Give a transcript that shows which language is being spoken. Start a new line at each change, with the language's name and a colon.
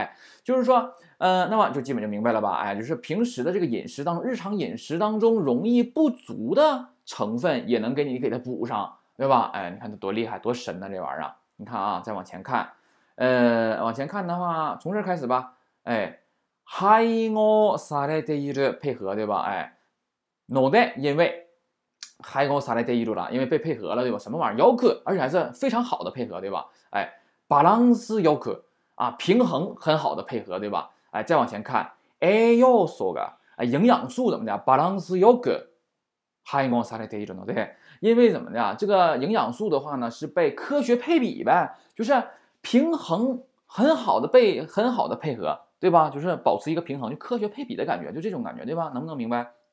Chinese: 哎，就是说，那么就基本就明白了吧？哎，就是平时的这个饮食当日常饮食当中容易不足的成分也能给它补上，对吧？哎，你看它多厉害，多神呢，这玩意儿。你看啊，再往前看，往前看的话，从这开始吧。哎，
Japanese: 配合されている
Chinese: 配合，对吧？哎，ので，因为
Japanese: 配合されている
Chinese: 了，因为被配合了，对吧？什么玩意儿？
Japanese: よく，
Chinese: 而且还是非常好的配合，对吧？哎，
Japanese: バランスよく
Chinese: 啊，平衡很好的配合，对吧？哎，再往前看，
Japanese: 栄養素が，
Chinese: 哎，营养素怎么的？
Japanese: バランスよく配合されているので。
Chinese: 因为怎么的呀？这个营养素的话呢，是被科学配比呗，就是平衡很好的被很好的配合，对吧？就是保持一个平衡，就科学配比的感觉，就这种感觉，对吧？能不能明白？